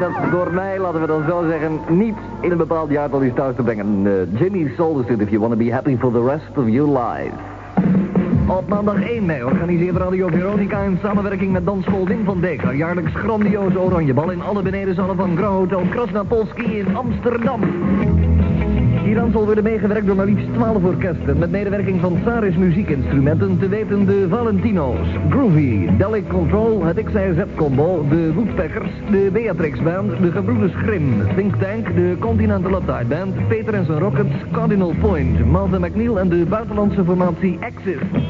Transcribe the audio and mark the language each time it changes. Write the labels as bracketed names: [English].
[Dutch] Door mij, laten we dan zo zeggen, niet in een bepaald jaar tot iets thuis te brengen. [English] Jimmy Soldersuit, if you want to be happy for the rest of your life. [Dutch] Op maandag 1 mei organiseert Radio Veronica in samenwerking met dansschool Wim van Dijk haar jaarlijks grandioze oranjebal in alle benedenzalen van Grand Hotel Krasnapolski in Amsterdam. Hieraan zal worden meegewerkt door maar liefst 12 orkesten met medewerking van Saris muziekinstrumenten, te weten de Valentino's, Groovy, Delic Control, het XYZ-combo, de Woodpeckers, de Beatrix Band, de Gebroeders Grimm, Think Tank, de Continental Uptight Band, Peter en zijn Rockets, Cardinal Point, Malte McNeil en de buitenlandse formatie Axis.